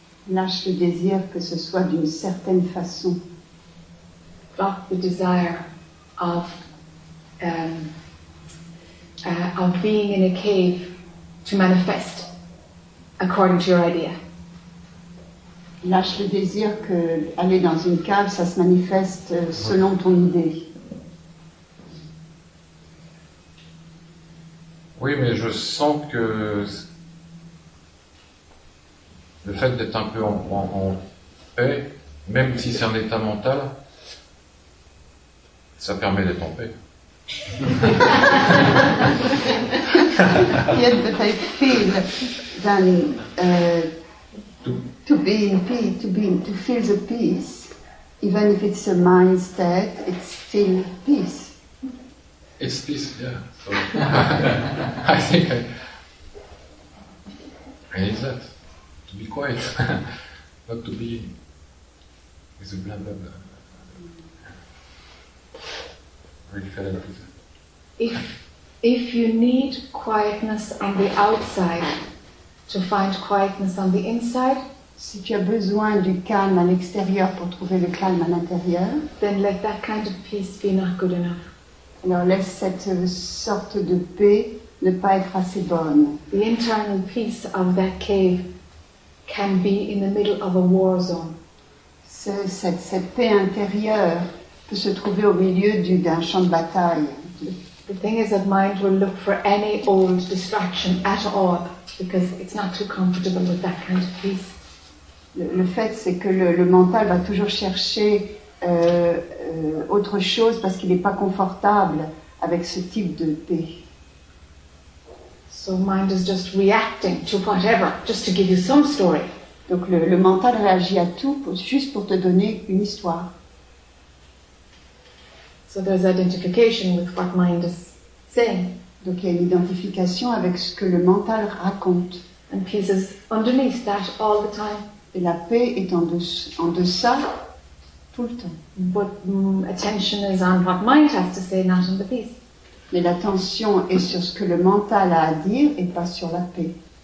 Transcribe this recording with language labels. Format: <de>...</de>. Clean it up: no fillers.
<fr>Lâche le désir que ce soit d'une certaine façon.</fr> <en>Drop the desire of of being in a cave to manifest according to your idea.</en> <fr>Lâche le désir que aller dans une cave ça se manifeste selon ton idée. Oui, mais je sens que le fait d'être un peu en paix, même si c'est un état mental, ça permet d'être en paix.</fr> <en>Yet, but I feel that to be in peace, to feel the peace, even if it's a mind state, it's still peace. It's peace, yeah. So, I think it is that. To be quiet, not to be with a blah blah blah. Really fell in love with that. If you need quietness on the outside to find quietness on the inside,</en> <fr>si tu as besoin du calme à l'extérieur pour trouver le calme à l'intérieur,</fr> <en>then let that kind of peace be not good enough.</en> <fr>Alors laisse cette sorte de paix ne pas être assez bonne.</fr> <en>The internal peace of that cave can be in the middle of a war zone.</en> <fr>Cette paix intérieure peut se trouver au milieu d'un champ de bataille.</fr> <en>The thing is that mind will look for any old distraction at all because it's not too comfortable with that kind of peace.</en> <fr>Le fait c'est que le mental va toujours chercher autre chose parce qu'il n'est pas confortable avec ce type de paix.</fr> <en>So mind is just reacting to whatever, just to give you some story.</en> <fr>Donc le mental réagit à tout juste pour te donner une histoire.</fr> <en>So there's identification with what mind is saying.</en> <fr>Donc il y a une identification avec ce que le mental raconte.</fr> <en>And peace is underneath that all the time.</en> <fr>Et la paix est en deçà tout le temps.</fr> <en>But attention is on what mind has to say, not on the peace.</en> <fr>Mais l'attention est sur ce que le mental a à dire et pas sur la paix.</fr>